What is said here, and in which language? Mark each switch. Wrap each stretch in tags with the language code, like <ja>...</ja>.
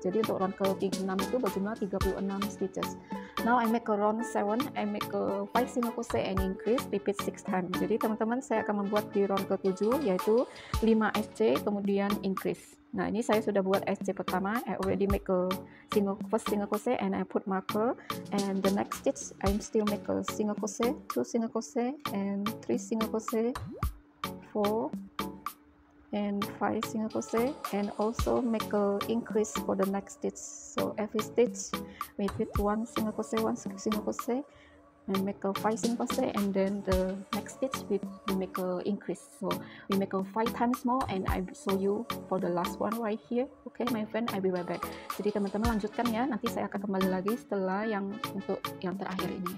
<id>Jadi untuk round ke-6 itu berjumlah 36 stitches.</id> <en>Now I make a round 7, I make a 5 single crochet and increase, repeat 6 times.</en> <id>Jadi teman-teman, saya akan membuat di round ke-7, yaitu 5 SC kemudian increase. Nah, ini saya sudah buat SC pertama.</id> <en>I already make a first single crochet and I put marker. And the next stitch, I'm still make a single crochet, 2 single crochet, and 3 single crochet, 4, and 5 single crochet, and also make a increase for the next stitch. So every stitch, we put 1 single crochet, 1 single crochet, and make a 5 single crochet, and then the next stitch we make a increase. So we make a 5 times more, and I show you for the last one right here. Okay my friend, I'll be right back.</en> <id>Jadi teman-teman lanjutkan ya, nanti saya akan kembali lagi setelah yang untuk yang terakhir ini.</id>